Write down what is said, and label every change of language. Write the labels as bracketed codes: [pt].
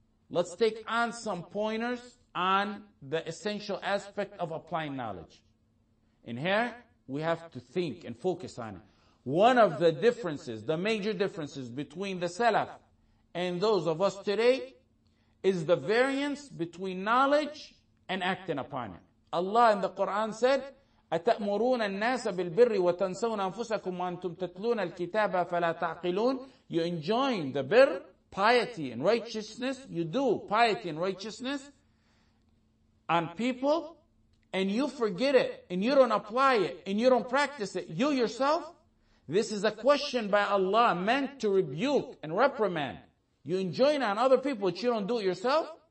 [en] Let's take on some pointers on the essential aspect of applying knowledge. In here, we have to think and focus on it. One of the differences, the major differences between the Salaf and those of us today is the variance between knowledge and acting upon it. Allah in the Quran said, [ar] أَتَأْمُرُونَ النَّاسَ بِالْبِرِّ وَتَنْسَوْنَ أَنفُسَكُمْ وَأَنْتُمْ تَتْلُونَ الْكِتَابَ فَلَا تَعْقِلُونَ. [en] You enjoin the birr, piety and righteousness. You do piety and righteousness on people and you forget it and you don't apply it and you don't practice it. You yourself, this is a question by Allah meant to rebuke and reprimand. You enjoin on other people, but you don't do it yourself?